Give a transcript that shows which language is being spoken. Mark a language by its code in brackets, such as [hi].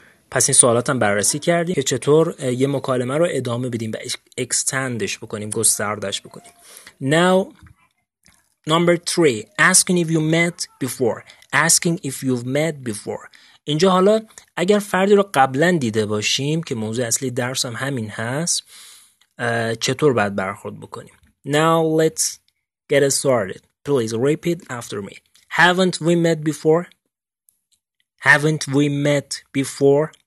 [fa] پس این سوالات هم بررسی کردیم که چطور یه مکالمه رو ادامه بدیم و اکستندش بکنیم، گستردش بکنیم. [en] Now, number three, asking if you met before. Asking if you've met before. [fa] اینجا حالا اگر فردی رو قبلا دیده باشیم، که موضوع اصلی درس هم همین هست، چطور باید برخورد بکنیم؟ [en] Now, let's get started. Please repeat after me. Haven't we met before? Haven't we met before?